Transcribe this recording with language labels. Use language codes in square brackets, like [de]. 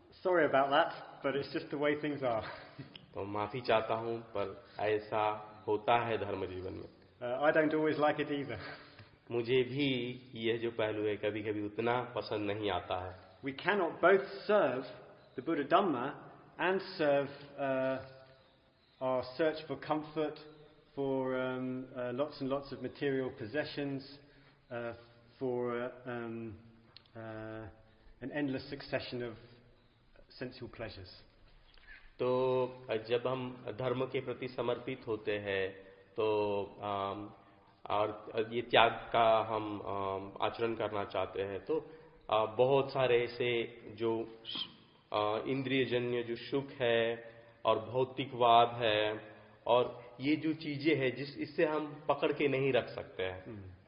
[en] Sorry about that, but it's just the way things are. [hi] तो माफी चाहता हूँ पर ऐसा होता है धर्म जीवन में. [en] I don't always like it either. [hi] मुझे भी यह जो पहलू है कभी कभी उतना पसंद नहीं आता है. [en] We cannot both serve the Buddha Dhamma and serve our search for comfort, for lots and lots of material possessions, for an endless succession of sensual pleasures. [hi] तो जब हम धर्म के प्रति समर्पित होते हैं तो और ये त्याग का हम आचरण करना चाहते हैं तो बहुत सारे ऐसे जो इंद्रियजन्य जो सुख है और भौतिकवाद है और ये जो चीजें हैं जिस इससे हम पकड़ के नहीं रख सकते हैं.